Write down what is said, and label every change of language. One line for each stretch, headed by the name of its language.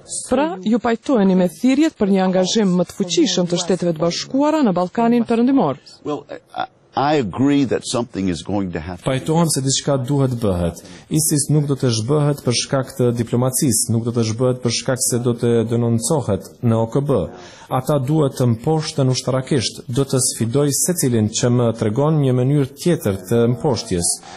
Albanian: Pra, ju pajtoheni me thirrjet për një angazhim më të fuqishëm të Shteteve të Bashkuara në Ballkanin Perëndimor.
English: I agree that something is going to happen.
Albanian: Pajtohem se diçka duhet bëhet. ISIS nuk do të zhbëhet për shkak të diplomacisë, nuk do të zhbëhet për shkak se do të denoncohet në OKB. Ata duhet të mposhten ushtarakisht, do të sfidoj secilin që më tregon një mënyrë tjetër të mposhtjes.